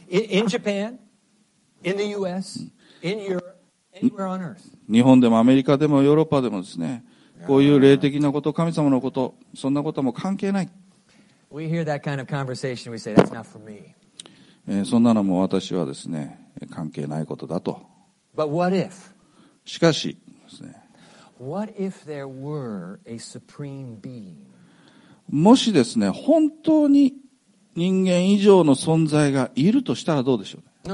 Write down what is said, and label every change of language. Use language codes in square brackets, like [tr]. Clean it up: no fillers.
[en] In Japan, in the US, in Europe, anywhere on earth. [ja] 日本でもアメリカでもヨーロッパでもですね。こういう霊的なこと、神様のこと、そんなことも関係ない。 [en] We hear that kind of conversation, we say, that's not for me. [ja] そんなのも私はですね、関係ないことだと。 [en] But what if? [ja] しかしですね。 [en] What if there were a supreme being? [ja] もしですね、本当に人間以上の存在がいるとしたらどうでしょうね。